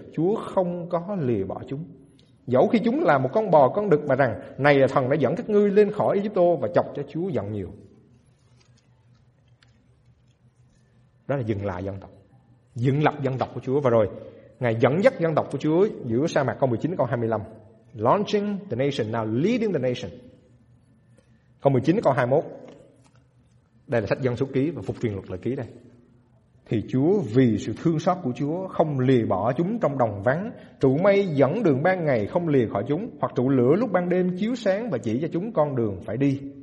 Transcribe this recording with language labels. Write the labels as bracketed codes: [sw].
[vi] Chúa không có lìa bỏ chúng. Dẫu khi chúng là một con bò, con đực mà rằng, này là thần đã dẫn các ngươi lên khỏi Ai Cập và chọc cho Chúa giận nhiều. Đó là dừng lại dân tộc, dựng lập dân tộc của Chúa. Và rồi Ngài dẫn dắt dân tộc của Chúa giữa sa mạc, câu 19 câu 25. [en] Launching the nation, now leading the nation. [vi] Câu 19 câu 21. Đây là sách Dân Số ký và Phục Truyền Luật Lệ ký đây. Thì Chúa vì sự thương xót của Chúa không lìa bỏ chúng trong đồng vắng. Trụ mây dẫn đường ban ngày không lìa khỏi chúng, hoặc trụ lửa lúc ban đêm chiếu sáng và chỉ cho chúng con đường phải đi.